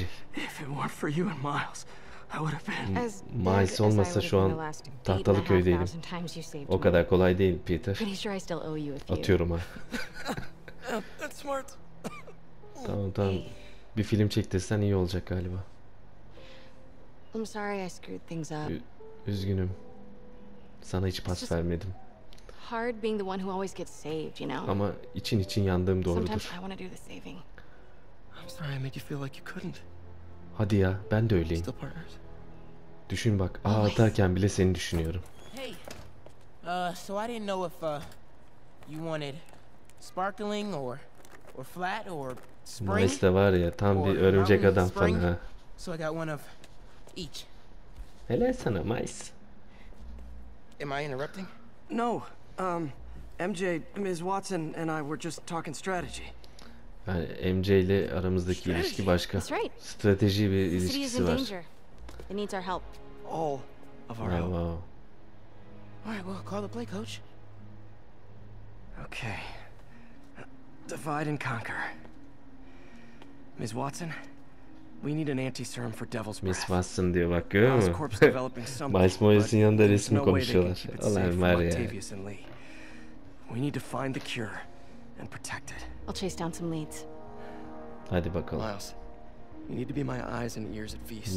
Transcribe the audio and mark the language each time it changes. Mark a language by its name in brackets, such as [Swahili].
[English] If it weren't for you and Miles, I would have been. [Turkish] Miles olmasa şu an tahtalı köydeydim. O kadar kolay değil, Peter. Atıyorum ha. Tamam tamam. Bir film çektirsen iyi olacak galiba. [English] I'm sorry I screwed things up. [Turkish] Üzgünüm. Sana hiç pas vermedim. [English] Hard being the one who always gets saved, you know. [Turkish] Ama için yandığım doğrudur. [English] Sometimes I want to do the saving. Sorry, I made you feel like you couldn't. [Turkish] Hadi ya, ben de öyleyim. Düşün bak, ağa atarken bile seni düşünüyorum. [English] Hey, so I didn't know if you wanted sparkling or flat or spring. [Turkish] Miles de var ya, tam bir örümcek adam falan ha. [English] So I got one of each. [Turkish] Helal sana, Miles. [English] Am I interrupting? No, MJ, Ms. Watson and I were just talking strategy. [Turkish] Yani MJ ile aramızdaki ilişki başka. Strateji bir ilişkisi var. [English] It needs our help. All of our help. Wow. All right, well, call the play, coach. Okay. Divide and conquer. Ms. Watson, we need an anti-serum for Devil's Breath. Ms. [Turkish] Watson diyor, bak görüyor musun? Miles Morales'in yanında resmi konuşuyorlar. Allah'ım var ya. [English] We need to find the cure and protect it. I'll chase down some leads. [Turkish] Hadi bakalım. [English] Miles, you need to be my eyes and ears at Feast.